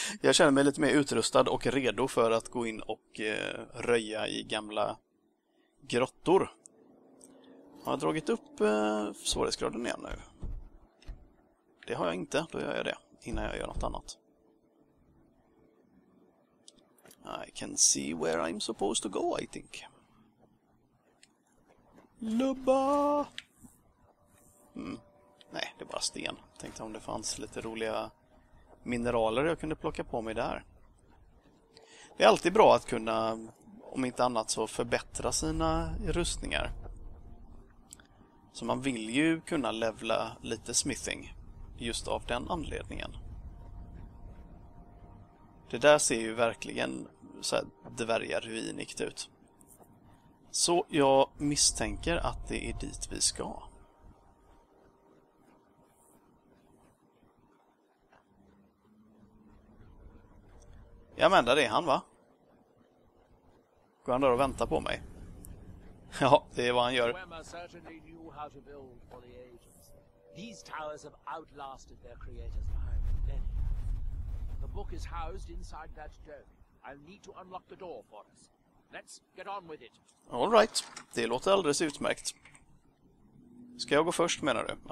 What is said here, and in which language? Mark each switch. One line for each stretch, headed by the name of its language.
Swedish: Jag känner mig lite mer utrustad och redo för att gå in och röja i gamla grottor. Har jag dragit upp svårighetsgraden igen nu? Det har jag inte, då gör jag det innan jag gör något annat.
English: I can see where I'm supposed to go, I think. Lubba!
Swedish: Nej, det är bara sten. Tänkte om det fanns lite roliga mineraler jag kunde plocka på mig där. Det är alltid bra att kunna, om inte annat, så förbättra sina rustningar. Så man vill ju kunna levla lite smithing just av den anledningen. Det där ser ju verkligen så här dvärgaruinigt ut. Så jag misstänker att det är dit vi ska. Ja, men där är han, va? Går han där och väntar på mig? Ja, det är vad han gör.
English: Wemmer certainly knew how to build for the ages. These towers have outlasted their creators behind the millennia. The book is housed inside that dome. I'll need to unlock the door for us. Let's get on with it. All right.
Swedish: Det låter alldeles utmärkt. Ska jag gå först, menar du?